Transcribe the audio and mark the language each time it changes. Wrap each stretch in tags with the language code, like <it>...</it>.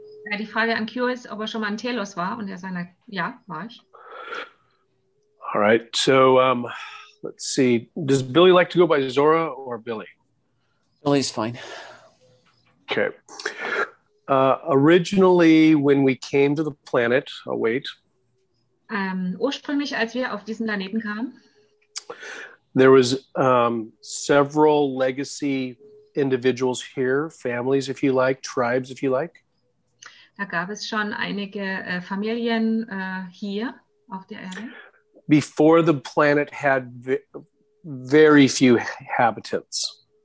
<de>Ja, die Frage am Q ist, ob er schon mal in Telos war, und er sagt, ja, war ich.</de> <en>All right. So, let's see. Does Billy like to go by Zora or Billy? Billy's fine. Okay. Originally, when we came to the planet, I'll wait.</en> <de>Ursprünglich, als wir auf diesen Planeten kamen,</de> <en>there was several legacy individuals here, families, if you like, tribes, if you like.</en> <de>Da gab es schon einige Familien hier auf der Erde.</de> <en>Before the planet had very few inhabitants.</en>